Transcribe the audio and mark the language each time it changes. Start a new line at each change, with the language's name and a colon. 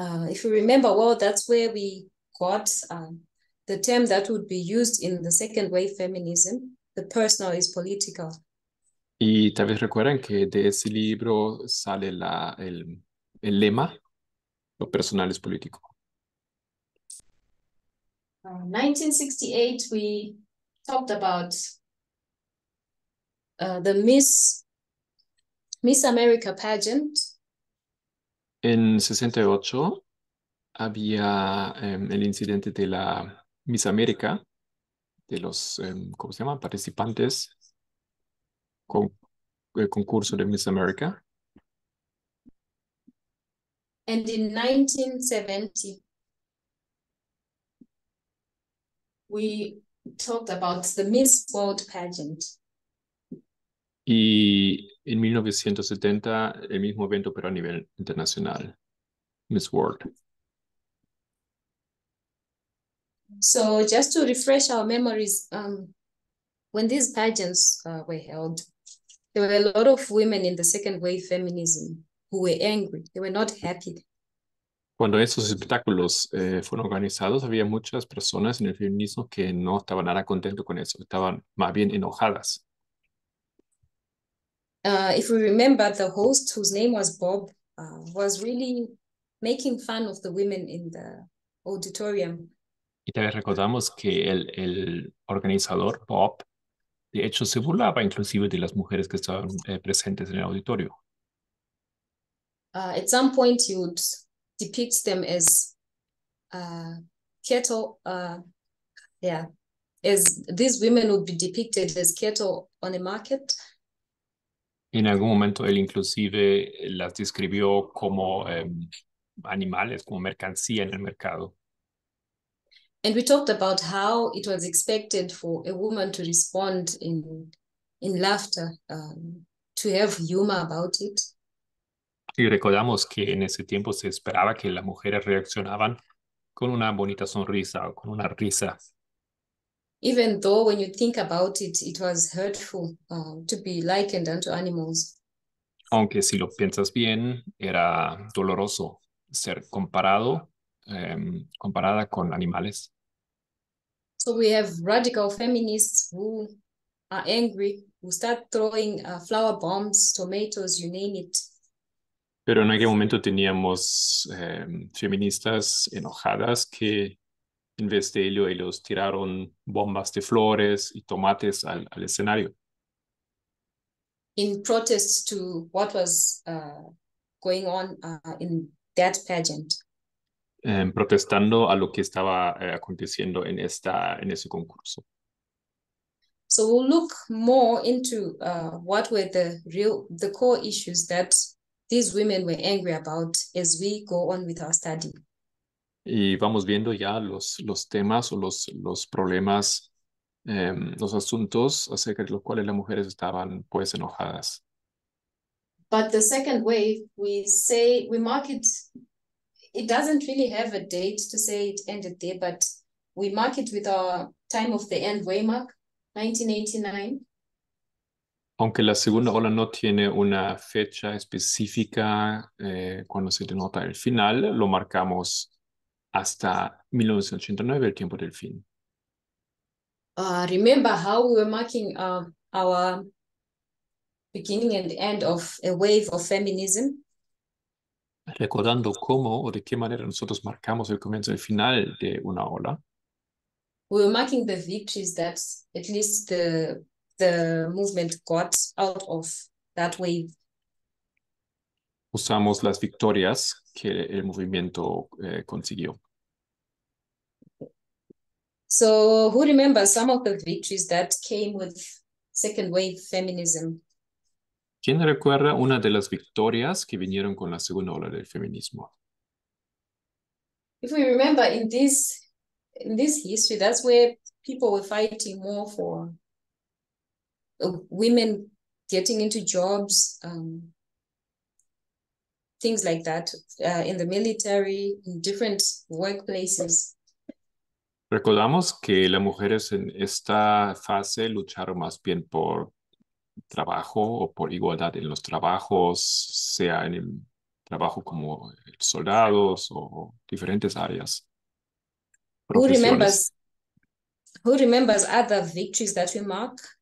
English: If you remember well, that's where we got the term that would be used in the second wave feminism, the personal is political.
Spanish: Y tal vez recuerden que de ese libro sale el lema, lo personal es político.
English: 1968, we talked about the Miss America pageant.
Spanish: En 68 había el incidente de la Miss América, de los, ¿cómo se llama? Participantes con el concurso de Miss América.
English: And in 1970, we talked about the Miss World pageant.
Spanish: Y en 1970, el mismo evento, pero a nivel internacional, Miss World.
English: So, just to refresh our memories, when these pageants were held, there were a lot of women in the second wave feminism who were angry, they were not happy.
Spanish: Cuando esos espectáculos fueron organizados, había muchas personas en el feminismo que no estaban nada contentos con eso, estaban más bien enojadas.
English: If we remember, the host, whose name was Bob, was really making fun of the women in the auditorium.
Spanish: Y también recordamos que el organizador, Bob, de hecho se burlaba inclusive de las mujeres que estaban presentes en el auditorio.
English: At some point, he would depict them as cattle. As these women would be depicted as cattle on a market.
Spanish: En algún momento él inclusive las describió como animales, como mercancía en el mercado.
English: And we talked about how it was expected for a woman to respond in laughter, to have humor about it.
Spanish: Y recordamos que en ese tiempo se esperaba que las mujeres reaccionaban con una bonita sonrisa o con una risa.
English: Even though when you think about it, it was hurtful to be likened unto animals.
Spanish: Aunque si lo piensas bien, era doloroso ser comparada con animales.
English: So we have radical feminists who are angry, who start throwing flower bombs, tomatoes, you name it.
Spanish: Pero en aquel momento teníamos feministas enojadas que... En vez de ello, ellos tiraron bombas de flores y tomates al escenario.
English: In protest to what was going on in that pageant.
Spanish: Protestando a lo que estaba aconteciendo en ese concurso.
English: So we'll look more into what were the core issues that these women were angry about as we go on with our study.
Spanish: Y vamos viendo ya los temas o los problemas, los asuntos acerca de los cuales las mujeres estaban pues enojadas.
English: But the second wave, we mark it, it doesn't really have a date to say it ended there, but we mark it with our time of the end waymark, 1989.
Spanish: Aunque la segunda ola no tiene una fecha específica cuando se denota el final, lo marcamos hasta 1989, el tiempo del fin.
English: Remember how we were marking our beginning and end of a wave of feminism?
Spanish: Recordando cómo o de qué manera nosotros marcamos el comienzo y el final de una ola.
English: We were marking the victories that at least the movement got out of that wave.
Spanish: Usamos las victorias que el movimiento consiguió.
English: So who remembers some of the victories that came with second wave feminism?
Spanish: ¿Quién recuerda una de las victorias que vinieron con la segunda ola del feminismo?
English: If we remember in this history, that's where people were fighting more for women getting into jobs, things like that, in the military, in different workplaces.
Spanish: Recordamos que las mujeres en esta fase lucharon más bien por trabajo o por igualdad en los trabajos, sea en el trabajo como soldados o diferentes áreas.
English: Who remembers other victories that we mark?